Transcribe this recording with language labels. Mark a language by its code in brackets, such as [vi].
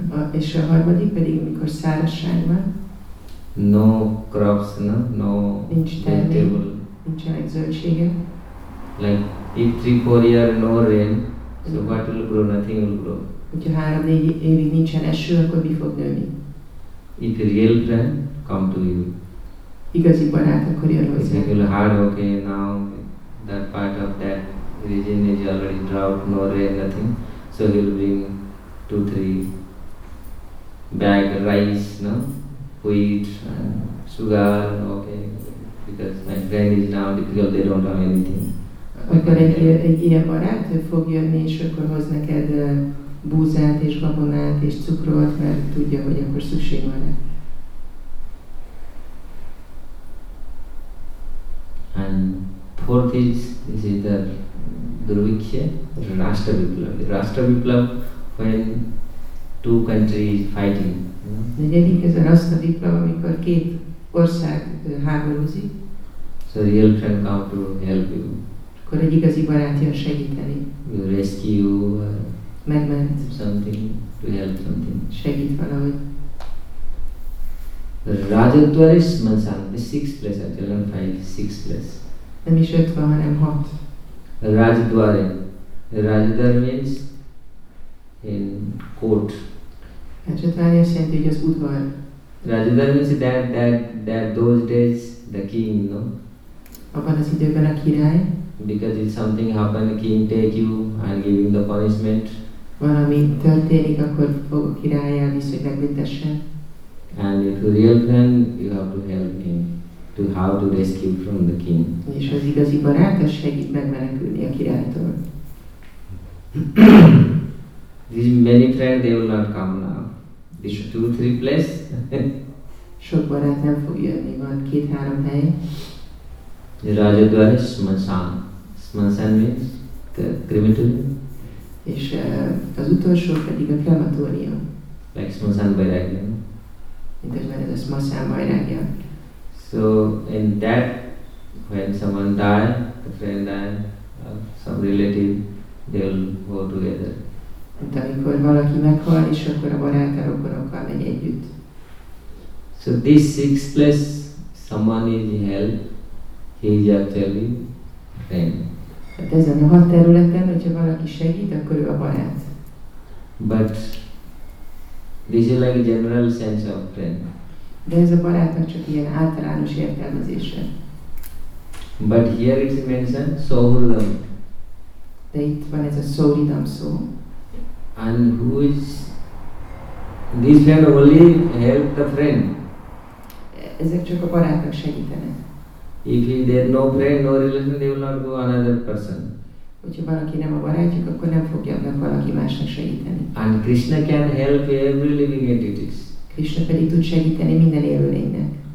[hu] És a harmadik pedig, amikor szárazság van. [en] No crops, no? No [hu] vegetable. Nincsenek zöldsége. [en] Like, if 3-4 years no rain, so what will grow? Nothing will grow. [hu] Hogyha 3-4 évig nincsen eső, akkor mi fog nőni? [en] If a real friend, come to you. [hu] Igazi barát, akkor jön hozzá. [en] If you feel hard, okay, now that part of that region is already drought, no rain, nothing. So he'll bring 2-3 bag rice, no? Wheat, sugar, okay. Because my friend is now difficult, they don't have anything. [hu] Akkor egy ilyen barát, ő fog jönni, és akkor hoz neked búzát, és gabonát, és cukrot, mert tudja, hogy akkor szükség van rá. [en] And fourth is, this is the Drubikhe, Rashtra Viplav. Rashtra Viplav, when two countries fighting. [hu] Negyedik, ez a Rashtra Viplav, amikor két ország háborúzik. [en] So real friend come to help you. [hu] Akkor egy igazi barát jön segíteni. [en] You rescue, [hu] megment. [en] Something, to help something. [hu] Segít valahogy. [en] Rajadvaris Mansan, the sixth place, I tell them five, sixth place. [hu] Nem is öt van, hanem hat. [sa] Rajadvare. [en] Rajadvare means in court. [hu] Rajadvare azt jelenti, hogy az udvar. [en] Rajadvare means that those days, the king, no? [hu] Abban az időben a király. [en] Because if something happen, king take you and give him the punishment. [hu] Valami történik, akkor fog a király elvisz, hogy megbüntessen. [en] And if you real friend, you have to help him to how to rescue from the king. [hu] És az igazi barát, az segít megmenekülni a királytól. [en] These many friends, they will not come now. These 2-3 place. [hu] Sok barát nem fog jönni, van 2-3 hely. [en] Rajadvara Smasan. Smasan means crematorium. [hu] És az utolsó pedig a krematórium. [en] Like Smasan Vairagya. [hu] Mint ez a Smasan Vairagya. [en] So in that, when someone die, a friend die, or some relative, they will go together. [hu] Mint amikor valaki meghal, és akkor a barát a rokonokkal megy együtt. [en] So this sixth place, someone is in hell. He is actually friend. [hu] Hát ezen a hat területen, hogyha valaki segít, akkor ő a barát. [en] But this is like a general sense of friend. [hu] De ez a barátnak csak ilyen általános értelmezése. [en] But here it's mentioned Sohridam. [hu] De itt van ez a Sohridam szó. [en] And who is this friend only help the friend? [hu] Ezek csak a barátnak segítenek. [en] If there is no friend, no relation, they will not go another person. [hu] Hogyha valaki nem a barátjuk, akkor nem fogja meg valaki másnak segíteni. [en] And Krishna can help every living entities. [hu] Krishna pedig tud segíteni minden élő lénynek.